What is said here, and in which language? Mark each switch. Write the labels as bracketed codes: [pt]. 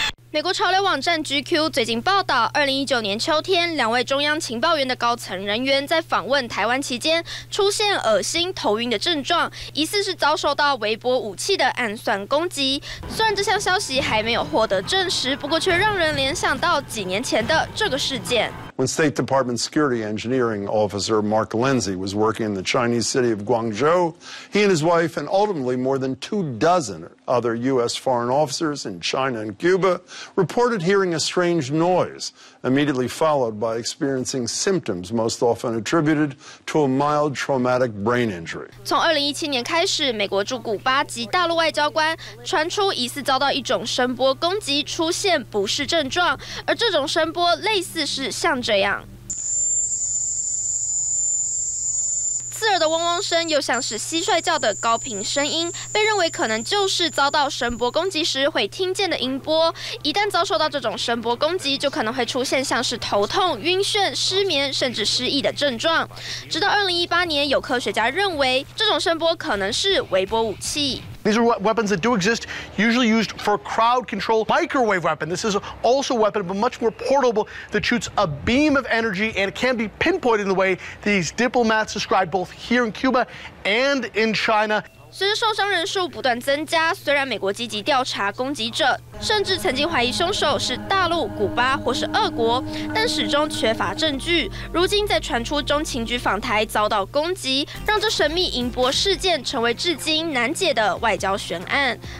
[zh] 美国潮流网站 GQ 最近报道，2019年秋天，两位中央情报院的高层人员在访问台湾期间，出现恶心、头晕的症状，疑似是遭受到微波武器的暗算攻击。虽然这项消息还没有获得证实，不过却让人联想到几年前的这个事件。 [en] When State Department Security Engineering Officer Mark Lindsay was working in the Chinese city of Guangzhou, he and his wife, and ultimately more than 24 other U.S. foreign officers in China and Cuba, reported hearing a strange noise, immediately followed by experiencing symptoms most often attributed to a mild traumatic brain injury. [zh] 从2017年开始，美国驻古巴及大陆外交官传出疑似遭到一种声波攻击，出现不适症状，而这种声波类似是像这样。刺耳的嗡嗡声，又像是蟋蟀叫的高频声音，被认为可能就是遭到声波攻击时会听见的音波。一旦遭受到这种声波攻击，就可能会出现像是头痛、晕眩、失眠，甚至失忆的症状。直到2018年，有科学家认为这种声波可能是微波武器。 [en] These are weapons that do exist, usually used for crowd control. Microwave weapon, this is also a weapon, but much more portable, that shoots a beam of energy and can be pinpointed in the way these diplomats described both here in Cuba and in China. [zh] 随着受伤人数不断增加，虽然美国积极调查攻击者，甚至曾经怀疑凶手是大陆、古巴或是俄国，但始终缺乏证据。如今在传出中情局访台遭到攻击，让这神秘银波事件成为至今难解的外交悬案。